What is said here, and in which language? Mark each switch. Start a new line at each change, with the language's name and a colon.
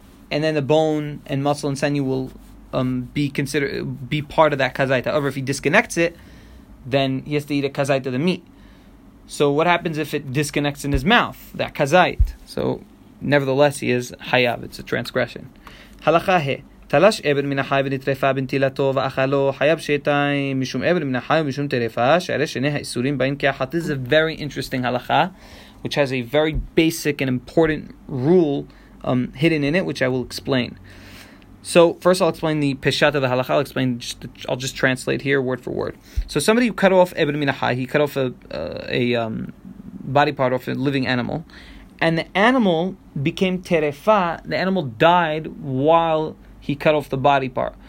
English: And then the bone and muscle and sinew will be considered be part of that kazait. However, if he disconnects it, then he has to eat a kazait of the meat. So what happens if it disconnects in his mouth, that kazait? So nevertheless, he is hayav. It's a transgression. Halakha he.
Hebrew: תלש אבן מן החי ונטרפה בנטילתו ואכלו חייב שיתיים משום אבן מן החי ומשום טרפה שאלה שני האיסורים באים כאחת.
English: This is a very interesting halakha, which has a very basic and important rule hidden in it, which I will explain. So first I'll explain the peshat of the halakha. I'll just translate here word for word. So somebody who cut off אבן מן החי, he cut off a body part of a living animal, and the animal became טרפה, the animal died while he cut off the body part.